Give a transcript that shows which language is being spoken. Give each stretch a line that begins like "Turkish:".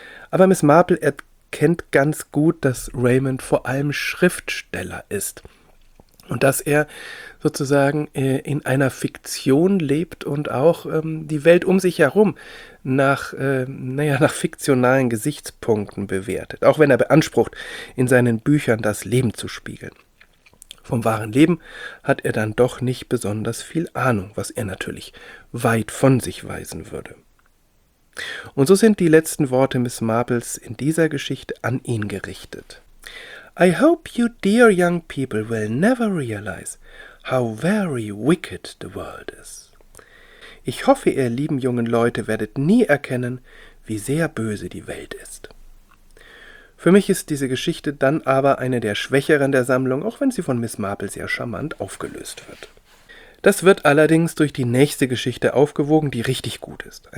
German: Aber Miss Marple erkennt ganz gut, dass Raymond vor allem Schriftsteller ist und dass er sozusagen in einer Fiktion lebt und auch die Welt um sich herum nach fiktionalen Gesichtspunkten bewertet, auch wenn er beansprucht, in seinen Büchern das Leben zu spiegeln. Vom wahren Leben hat er dann doch nicht besonders viel Ahnung, was er natürlich weit von sich weisen würde. Und so sind die letzten Worte Miss Marples in dieser Geschichte an ihn gerichtet.
English: »I hope you dear young people will never realize how very wicked the world is.
German: Ich hoffe, ihr lieben jungen Leute werdet nie erkennen, wie sehr böse die Welt ist.« Für mich ist diese Geschichte dann aber eine der schwächeren der Sammlung, auch wenn sie von Miss Marple sehr charmant aufgelöst wird. Das wird allerdings durch die nächste Geschichte aufgewogen, die richtig gut ist.